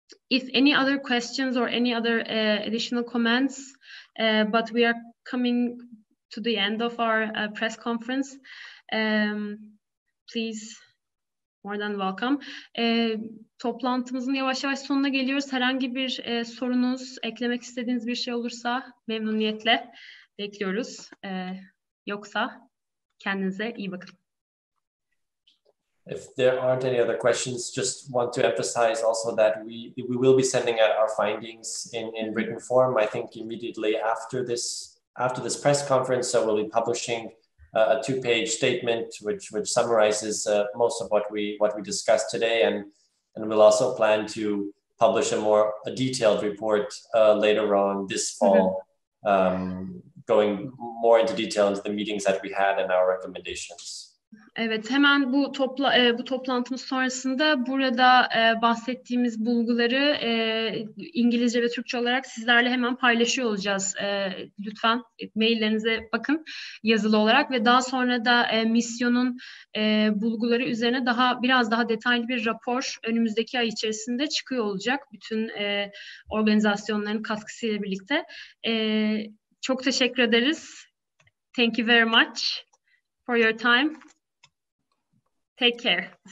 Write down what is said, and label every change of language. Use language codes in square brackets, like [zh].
[en] If any other questions or any other additional comments, but we are coming to the end of our press conference, please, more than welcome. [tr] Toplantımızın yavaş yavaş sonuna geliyoruz. Herhangi bir sorunuz, eklemek istediğiniz bir şey olursa memnuniyetle bekliyoruz. Yoksa kendinize iyi bakın. [en] If there aren't any other questions, just want to emphasize also that we will be sending out our findings in written form, I think immediately after this press conference. So we'll be publishing a two-page statement which summarizes most of what we discussed today, and we'll also plan to publish a detailed report later on this fall, going more into detail into the meetings that we had and our recommendations. [tr] Evet, hemen bu toplantımız sonrasında burada bahsettiğimiz bulguları İngilizce ve Türkçe olarak sizlerle hemen paylaşıyor olacağız. Lütfen maillerinize bakın yazılı olarak ve daha sonra da misyonun bulguları üzerine biraz daha detaylı bir rapor önümüzdeki ay içerisinde çıkıyor olacak bütün organizasyonların katkısıyla birlikte. Çok teşekkür ederiz. [en] Thank you very much for your time. Take care.